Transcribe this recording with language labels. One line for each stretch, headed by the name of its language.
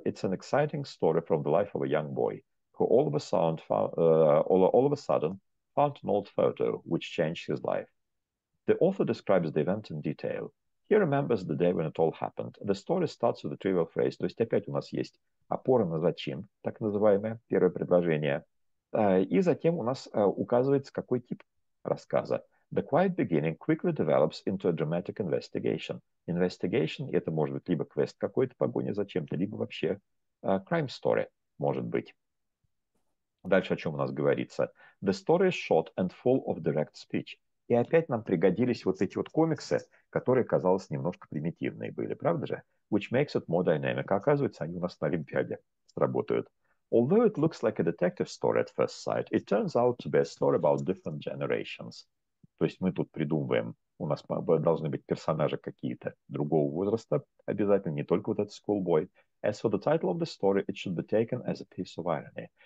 English: It's an exciting story from the life of a young boy who all of a sudden found an old photo which changed his life. The author describes the event in detail. He remembers the day when it all happened. The story starts with a trivial phrase.
Russian: То есть опять у нас есть опора на зачем, так называемое первое предложение. И затем у нас указывается, какой тип рассказа.
English: The quiet beginning quickly develops into a dramatic investigation.
Russian: Investigation – это может быть либо квест какой-то, погоня за чем-то, либо вообще crime story, может быть. Дальше о чем у нас говорится.
English: The story is short and full of direct speech.
Russian: И опять нам пригодились вот эти вот комиксы, которые, казалось, немножко примитивные были, правда же?
English: Which makes it more dynamic.
Russian: А оказывается, они у нас на Олимпиаде сработают.
English: Although it looks like a detective story at first sight, it turns out to be a story about different generations.
Russian: То есть мы тут придумываем, у нас должны быть персонажи какие-то другого возраста обязательно, не только вот этот schoolboy.
English: As for the title of the story, it should be taken as a piece of irony.